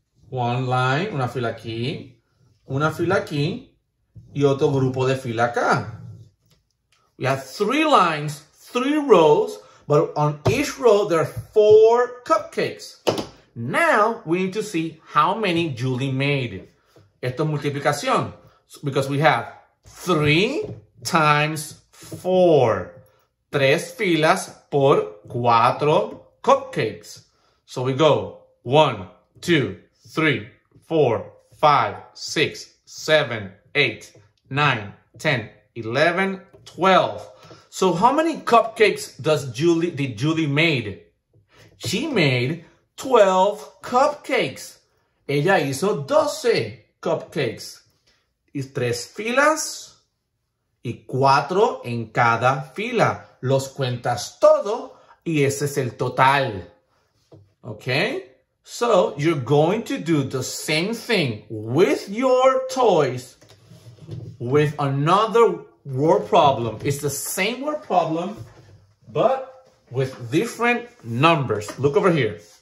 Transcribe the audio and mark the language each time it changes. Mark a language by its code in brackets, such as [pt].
[en] One line, [es] una fila aquí, y otro grupo de fila acá. [en] We have 3 lines, 3 rows, but on each row there are 4 cupcakes. Now we need to see how many Julie made. [es] Esto es multiplicación, [en] because we have 3 times 4. [es] 3 filas por 4 cupcakes. [en] So we go 1, 2, 3, 4, 5, 6, 7, 8, 9, 10, 11, 12. So how many cupcakes did Julie made? She made 12 cupcakes. [es] Ella hizo 12 cupcakes. Y 3 filas y 4 en cada fila. Los cuentas todo y ese es el total. [en] Okay? So, you're going to do the same thing with your toys with another word problem. It's the same word problem, but with different numbers. Look over here.